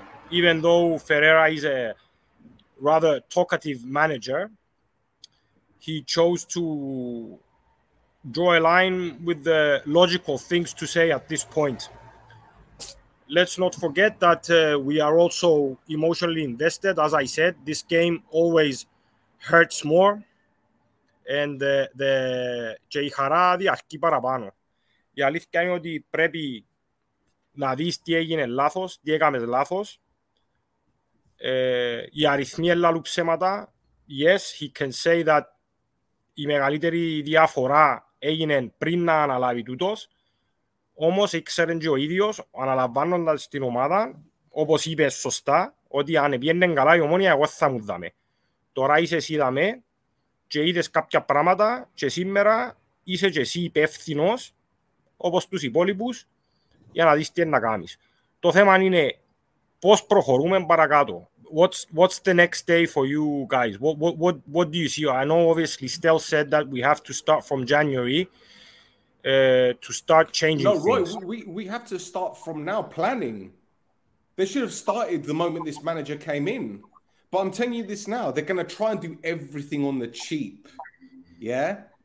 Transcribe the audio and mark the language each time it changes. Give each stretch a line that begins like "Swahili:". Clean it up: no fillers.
English: Even though Ferreira is a rather talkative manager, he chose to draw a line with the logical things to say at this point. Let's not forget that we are also emotionally invested. As I said, this game always hurts more.
Greek: And και η χαρά διαρκεί παραπάνω. Η αλήθεια είναι ότι πρέπει να δεις τι έγινε λάθος, τι έκαμε λάθος. Οι αριθμοί λαλούν ψέματα.
English: Yes, he can say that
Greek: η μεγαλύτερη διαφορά έγινε πριν να αναλάβει τούτος. Όμως ήξερε και ο ίδιος, αναλαμβάνοντας την ομάδα, όπως είπε σωστά, ότι αν πιένε καλά η Ομόνοια, εγώ θα μου δάμε. Τώρα είσαι εσύ δάμε, και είδες κάποια πράγματα και σήμερα είσαι και εσύ υπεύθυνος, όπως τους υπόλοιπους, για να δεις τι να κάνεις. Το θέμα είναι πώς προχωρούμε παρακάτω.
English: What's the next day for you guys? What do you see? I know obviously Stel said that we have to start from January to start changing things. No, Roy, we have to start from now planning. They should have started the moment this manager came in. But I'm telling you this now, they're going to try and do everything on the cheap. Yeah?